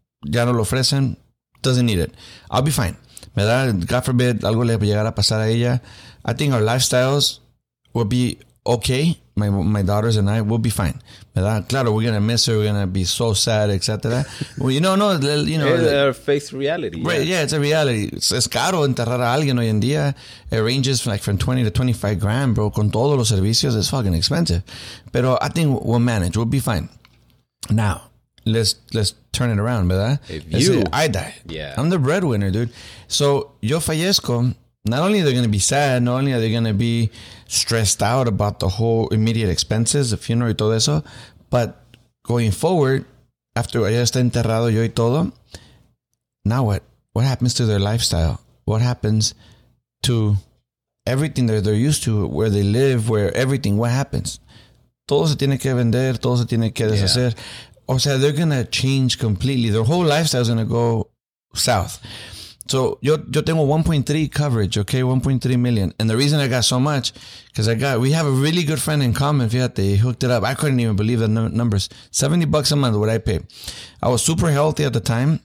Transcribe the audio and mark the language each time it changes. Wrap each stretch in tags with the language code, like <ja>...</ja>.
<es>Ya no lo ofrecen.</es> <en>Doesn't need it. I'll be fine.</en> <es>Me da,</es> <en>God forbid,</en> <es>algo le llegara a pasar a ella.</es> <en>I think our lifestyles will be okay. My daughters and I will be fine.</en> <es>Me da, claro,</es> <en>we're going to miss her. We're going to be so sad, etc. Well, you know. It's our face reality. Right, yeah, it's a reality.</en> <es>Es caro enterrar a alguien hoy en día.</es> <en>It ranges from, like, from 20 to 25 grand, bro.</en> <es>Con todos los servicios,</es> <en>it's fucking expensive.</en> <es>Pero</es> <en>I think we'll manage. We'll be fine. Now, let's turn it around, ¿verdad? I die. Yeah. I'm the breadwinner, dude. So,</en> <es>yo fallezco.</es> <en>Not only are they going to be sad, not only are they going to be stressed out about the whole immediate expenses, the funeral</en> <es>y todo eso,</es> <en>but going forward, after</en> <es>ya está enterrado yo y todo,</es> <en>now what? What happens to their lifestyle? What happens to everything that they're used to, where they live, where everything, what happens?</en> <es>Todo se tiene que vender, todo se tiene que deshacer.</es> <en>Yeah.</en> <es>O sea,</es> <en>they're going to change completely. Their whole lifestyle is going to go south. So</en> <es>yo tengo</es> <en>1.3 coverage, okay, 1.3 million. And the reason I got so much, because we have a really good friend in common, fíjate, he hooked it up. I couldn't even believe the numbers. $70 a month, what I pay. I was super healthy at the time.</en>